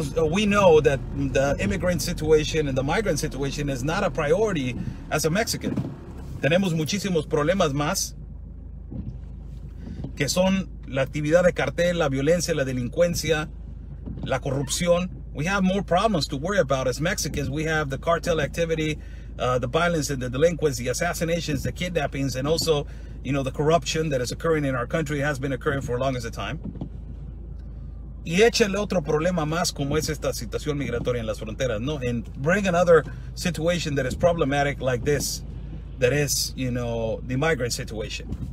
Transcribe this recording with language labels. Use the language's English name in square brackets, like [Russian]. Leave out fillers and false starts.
[English] We know that the immigrant situation and the migrant situation is not a priority as a Mexican. [Spanish] Tenemos muchísimos problemas más, que son la actividad de cartel, la violencia, la delincuencia, la corrupción. [English] We have more problems to worry about as Mexicans. We have the cartel activity, the violence and the delinquency, the assassinations, the kidnappings, and also, you know, the corruption that is occurring in our country, has been occurring for a long time. [Spanish] Y échale otro problema más como es esta situación migratoria en las fronteras, ¿no? [English] And bring another situation that is problematic like this, that is, you know, the migrant situation.